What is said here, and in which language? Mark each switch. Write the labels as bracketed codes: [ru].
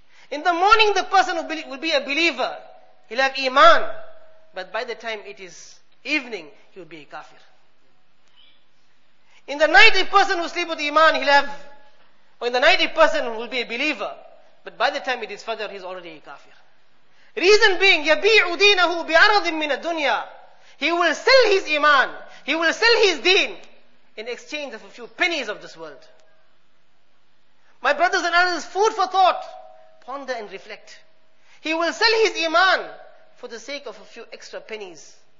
[en] In the morning the person will be a believer, he'll have iman, but by the time it is evening, he'll be a kafir. In the night a person will sleep with iman, he'll have, or in the night a person will be a believer, but by the time it is fajr, he's already a kafir. Reason being, [ar] يَبِيعُ دِينَهُ بِأَرَضٍ مِّنَ الدُّنْيَا. [en] He will sell his iman, he will sell his deen, in exchange of a few pennies of this world. My brothers and elders, food for thought. Ponder and reflect. He will sell his iman for the sake of a few extra pennies.